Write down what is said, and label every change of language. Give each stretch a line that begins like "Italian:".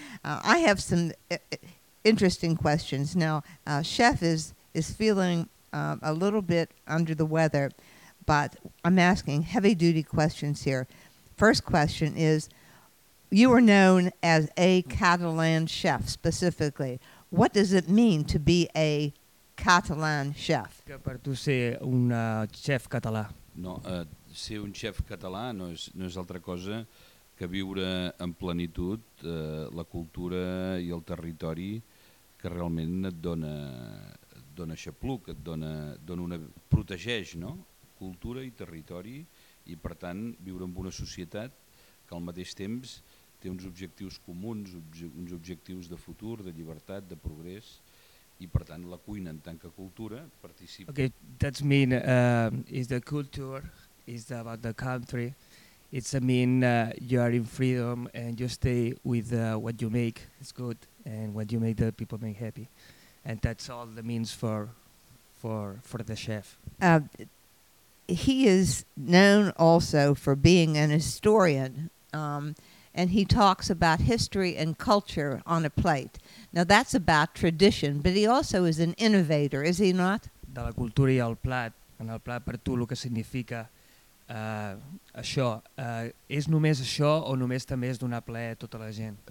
English: I have some interesting questions. Now, chef is feeling a little bit under the weather, but I'm asking heavy-duty questions here. First question is, you are known as a Catalan chef specifically. What does it mean to be a Catalan chef?
Catalan: Que per tu ser un chef català. No, ser un chef català no és altra cosa que viure en plenitud la cultura i el territori que realment et dona xapluc, protegeix, no? Cultura i territori, i per tant viure en una societat que al mateix temps té uns objectius comuns, uns objectius de futur, de llibertat, de progrés, i per tant la cuina en tant que cultura participa.
English: Okay, that's mean is the culture is about the country. It's a mean you are in freedom and you stay with what you make. It's good, and what you make the people make happy. And that's all the means for the chef. He is known also for being an historian, and he talks about history and culture on a plate. Now that's about tradition, but he also is an innovator, is he not?
Catalan: De la cultura i el plat, en el plat per tu, el que significa això, és només això o només també és donar plaer a tota la gent?